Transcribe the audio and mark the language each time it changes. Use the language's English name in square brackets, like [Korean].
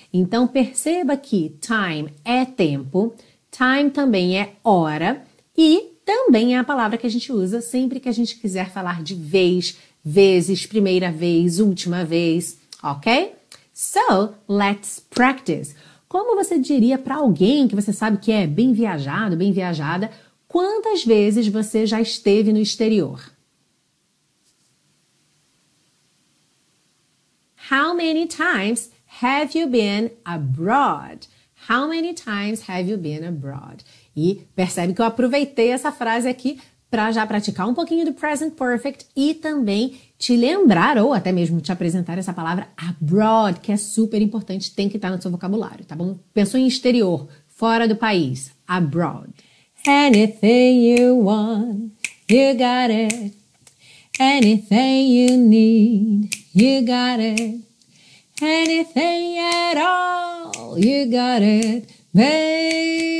[Portuguese] Então, perceba que time é tempo, time também é hora e também é a palavra que a gente usa sempre que a gente quiser falar de vez, vezes, primeira vez, última vez, ok? [English] So, let's practice. [Portuguese] Como você diria para alguém que você sabe que é bem viajado, bem viajada, quantas vezes você já esteve no exterior? [English] How many times have you been abroad? How many times have you been abroad? [Portuguese] E percebe que eu aproveitei essa frase aqui para já praticar um pouquinho do present perfect e também te lembrar ou até mesmo te apresentar essa palavra abroad, que é super importante, tem que estar no seu vocabulário, tá bom? Pensou em exterior, fora do país, abroad. [English] Anything you want, you got it. Anything you need, you got it. Anything at all, you got it, baby.